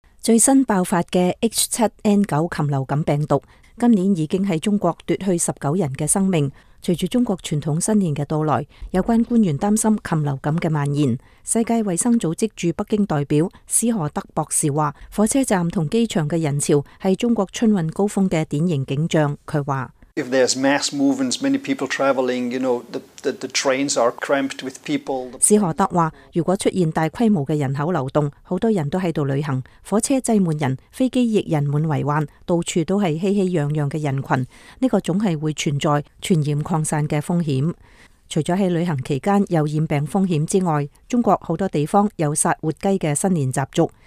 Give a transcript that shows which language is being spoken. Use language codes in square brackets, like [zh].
[zh] 最新爆发的 H7N9 禽流感病毒，今年已经在中国夺去19人的生命。随着中国传统新年的到来，有关官员担心禽流感的蔓延。世界卫生组织驻北京代表斯何德博士说，火车站和机场的人潮是中国春运高峰的典型景象。他说， [en] If there's mass movements, many people traveling, you know, the trains are cramped with people. [zh] 斯何德说，如果出现大规模的人口流动，很多人都在旅行，火车挤满人，飞机亦人满为患，到处都是熙熙攘攘的人群，这个总是会存在传染扩散的风险。除了在旅行期间有染病风险之外，中国很多地方有杀活鸡的新年习俗。